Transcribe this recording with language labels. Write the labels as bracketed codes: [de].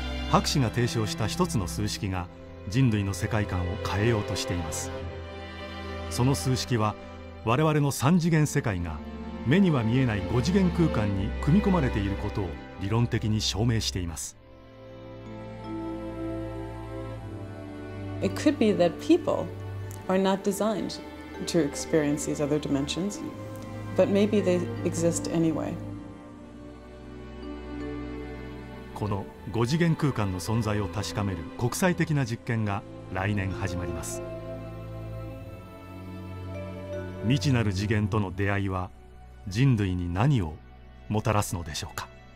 [ja] 博士が提唱した一つの数式が人類の世界観を変えようとしています。その数式は我々の三次元世界が目には見えない五次元空間に組み込まれていることを理論的に証明しています。 [en] It could be that people are not designed to experience these other dimensions, but maybe they exist anyway. [ja] この五次元空間の存在を確かめる国際的な実験が来年始まります。未知なる次元との出会いは人類に何をもたらすのでしょうか。